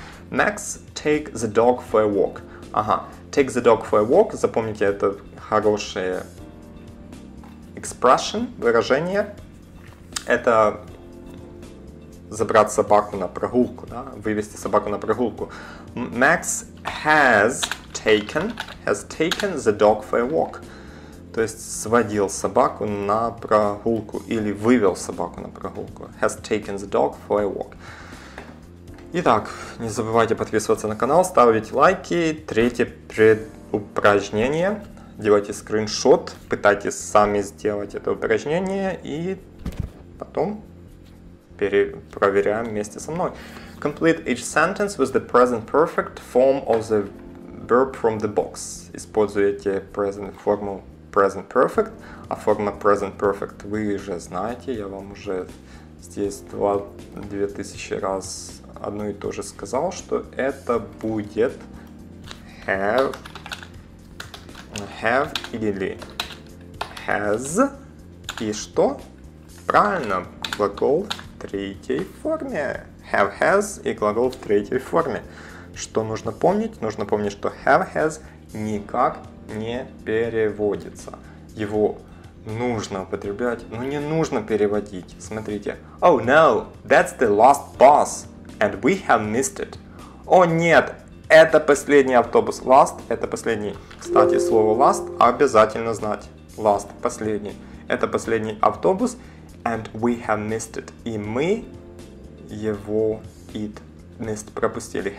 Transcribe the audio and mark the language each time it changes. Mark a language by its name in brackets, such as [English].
[English] Next, take the dog for a walk. Ага, take the dog for a walk. [Russian] Запомните, это хорошее expression, выражение. Это забрать собаку на прогулку, да? Вывести собаку на прогулку. [English] Max has taken the dog for a walk. [Russian] То есть сводил собаку на прогулку или вывел собаку на прогулку. [English] Has taken the dog for a walk. [Russian] Итак, не забывайте подписываться на канал, ставить лайки. Третье предупражнение. Делайте скриншот, пытайтесь сами сделать это упражнение и потом перепроверяем вместе со мной. [English] Complete each sentence with the present perfect form of the verb from the box. [Russian] Используйте форму present perfect, а форма present perfect вы уже знаете. Я вам уже здесь 2000 раз одно и то же сказал, что это будет have или has, и что? Правильно, глагол в третьей форме. Have, has и глагол в третьей форме. Что нужно помнить? Нужно помнить, что have, has никак не переводится. Его нужно употреблять, но не нужно переводить. Смотрите. [English] Oh no, that's the last bus and we have missed it. [Russian] О нет, это последний автобус. Last – это последний. Кстати, слово last обязательно знать. Last – последний. Это последний автобус. And we have missed it. И мы его it missed пропустили.